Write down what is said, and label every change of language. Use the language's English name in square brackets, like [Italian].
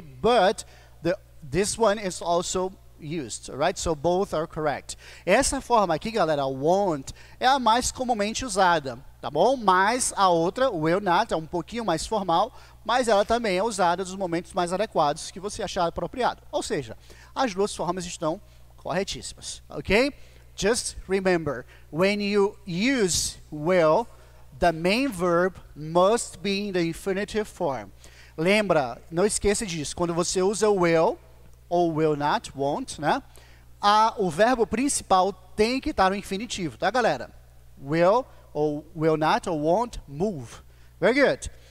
[English] But this one is also used, right? So both are correct. [Portuguese] Essa forma aqui, galera, won't, é a mais comumente usada, tá bom? Mas a outra, will not, é um pouquinho mais formal, mas ela também é usada nos momentos mais adequados que você achar apropriado. Ou seja, as duas formas estão corretíssimas, ok? [English] Just remember, when you use will, the main verb must be in the infinitive form. [Portuguese] Lembra, não esqueça disso, quando você usa will, ou will not, won't, né? O verbo principal tem que estar no infinitivo, tá, galera? [English] Will, ou will not, ou won't move. Very good.